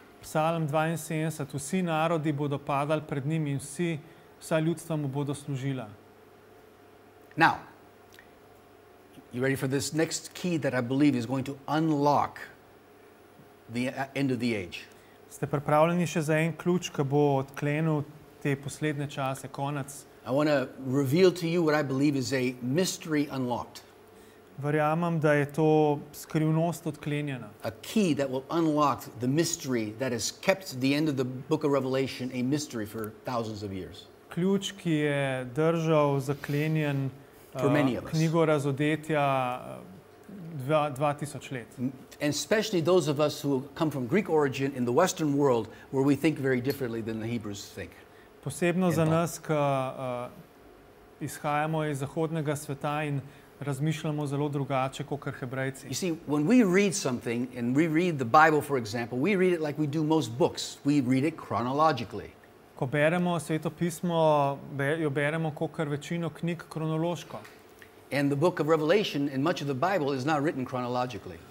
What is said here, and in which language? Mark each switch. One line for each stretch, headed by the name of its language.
Slovenian: Psalm 72, vsi narodi bodo padali pred njim in vsa ljudstva mu bodo služila.
English: Now, you ready for this next key that I believe is going to unlock the end of the age?
Slovenian: Ste pripravljeni še za en ključ, ki bo odklenil te posledne čase, konec?
English: I want to reveal to you what I believe is a mystery unlocked.
Slovenian: Verjamem, da je to skrivnost odklenjena.
English: A key that will unlock the mystery that has kept the end of the book of Revelation a mystery for thousands of years.
Slovenian: Ključ, ki je držal zaklenjen knjigo razodetja 2000 let.
English: And especially those of us who come from Greek origin in the Western world, where we think very differently than the Hebrews think.
Slovenian: Posebno za nas, ki izhajamo iz zahodnega sveta in razmišljamo zelo drugače kot Hebrejci.
English: You see, when we read something and we read the Bible, for example, we read it like we do most books. We read it chronologically.
Slovenian: Ko beremo Sveto pismo, jo beremo kot večino knjig kronološko.
English: And the book of Revelation and much of the Bible is not written chronologically.